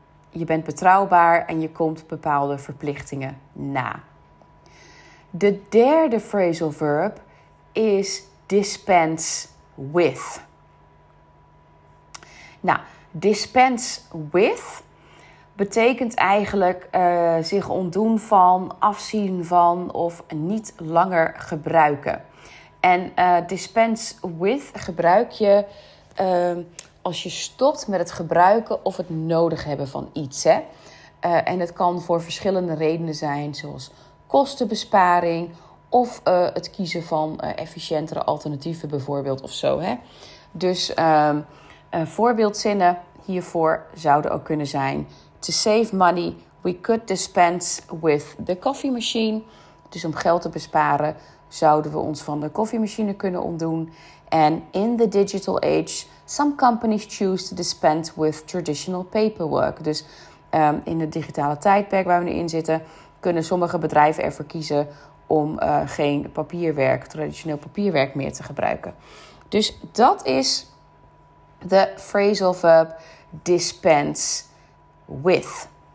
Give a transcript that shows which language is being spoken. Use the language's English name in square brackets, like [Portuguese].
[Dutch] Je bent betrouwbaar en je komt bepaalde verplichtingen na. De derde phrasal verb is dispense with. Nou, dispense with betekent eigenlijk zich ontdoen van, afzien van of niet langer gebruiken. En dispense with gebruik je als je stopt met het gebruiken of het nodig hebben van iets. Hè? En het kan voor verschillende redenen zijn, zoals kostenbesparing of het kiezen van efficiëntere alternatieven bijvoorbeeld of zo. Hè? Dus voorbeeldzinnen hiervoor zouden ook kunnen zijn: [English] to save money, we could dispense with the coffee machine. [Dutch] Dus om geld te besparen, zouden we ons van de koffiemachine kunnen ontdoen. En [English] in the digital age, some companies choose to dispense with traditional paperwork. [Dutch] Dus in het digitale tijdperk waar we nu in zitten, kunnen sommige bedrijven ervoor kiezen om geen papierwerk, traditioneel papierwerk meer te gebruiken. Dus dat is de phrasal verb dispense with.